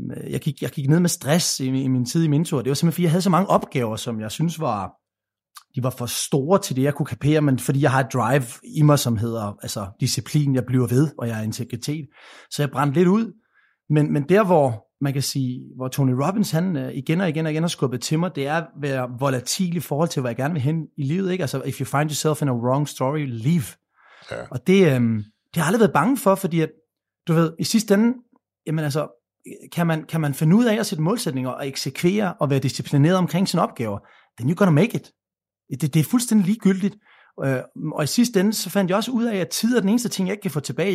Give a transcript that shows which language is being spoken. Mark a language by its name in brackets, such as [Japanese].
[Danish] Jeg gik ned med stress i min tid i Mentor. Det var simpelthen, fordi jeg havde så mange opgaver, som jeg synes var, de var for store til det, jeg kunne kapere, men fordi jeg har et drive i mig, som hedder altså disciplin, jeg bliver ved, og jeg er integritet. Så jeg brændte lidt ud. Men der, hvor man kan sige, hvor Tony Robbins, han igen og igen og igen har skubbet til mig, det er at være volatil i forhold til, hvad jeg gerne vil hen i livet. Ikke? Altså, [English] if you find yourself in a wrong story, leave. [Danish] Ja. Og det har jeg aldrig været bange for, fordi at, du ved, i sidste ende, jamen altså, kan man finde ud af at sætte målsætninger og eksekvere og være disciplineret omkring sine opgaver, [English] then you're gonna make it. [Danish] Det er fuldstændig ligegyldigt. Og i sidste ende, så fandt jeg også ud af, at tid er den eneste ting, jeg ikke kan få tilbage.